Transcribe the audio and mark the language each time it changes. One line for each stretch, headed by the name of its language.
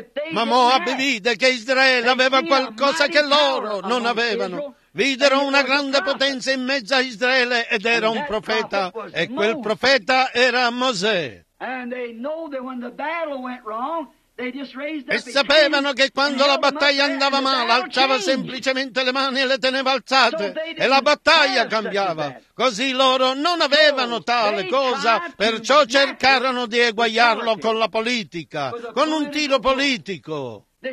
Italian: Ma Moab vide che Israele aveva qualcosa che loro non avevano. Videro una grande potenza in mezzo a Israele ed era un profeta, e quel profeta era Mosè.
English: And they know that when the battle went wrong, they just raised
Italian: e sapevano che quando la battaglia andava male, alzava semplicemente le mani e le teneva alzate, e la battaglia cambiava. Così loro non avevano tale cosa, perciò cercarono di eguagliarlo con la politica, con un tiro politico.